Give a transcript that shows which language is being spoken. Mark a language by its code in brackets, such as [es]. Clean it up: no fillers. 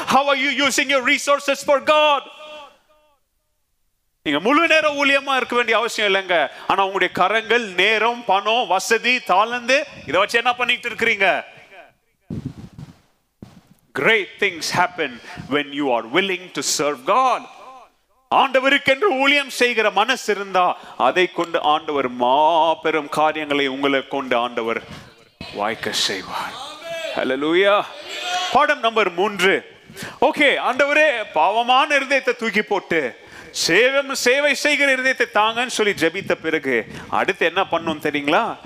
[en] How are you using your resources for God? [ta] நீங்க முழு நேர ஊழியமா இருக்க வேண்டிய அவசியம் இல்லைங்க, ஆனா உங்களுடைய கரங்கள், நேரம், பணம், வசதி, தாளந்து இதை வச்சு என்ன பண்ணிட்டு இருக்கிறீங்க? [en] Great things happen when you are willing to serve God. [ta] ஆண்டவருக்கு என்று ஊழியம் செய்கிற மனசு இருந்தா அதை கொண்டு ஆண்டவர் மாபெரும் காரியங்களை உங்களை கொண்டு ஆண்டவர் வாய்க்க செய்வார். ஹல்லேலூயா. பாடம் நம்பர் 3. ஓகே, ஆண்டவரே பாவமான இருதயத்தை தூக்கி போட்டு சேவை செய்கிற இருதயத்தை தாங்கன்னு சொல்லி ஜெபித்த பிறகு அடுத்து என்ன பண்ணும் தெரியுங்களா?